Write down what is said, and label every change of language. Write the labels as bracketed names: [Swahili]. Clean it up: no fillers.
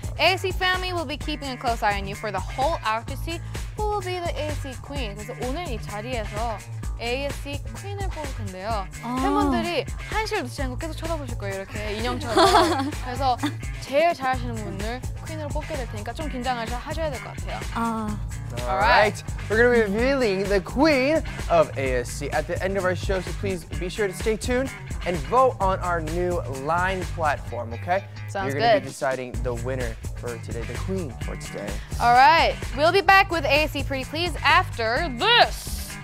[English] ASC family will be keeping a close eye on you for the whole after see who will be the ASC queen. [Korean] 그래서 오늘 이 자리에서 ASC 퀸을 뽑을 텐데요. 팬분들이 한시를 놓치지 않고 계속 쳐다보실 거예요, 이렇게 인형처럼. 그래서 제일 잘하시는 분을 퀸으로 뽑게 될 테니까 좀 긴장하셔야 하셔야 될 것 같아요. [English] Alright, we're going to be revealing the queen of ASC at the end of our show, so please be sure to stay tuned and vote on our new line platform, okay? Sounds good. You're going to be deciding the winner for today, the queen for today. Alright, we'll be back with ASC Pretty Please after this.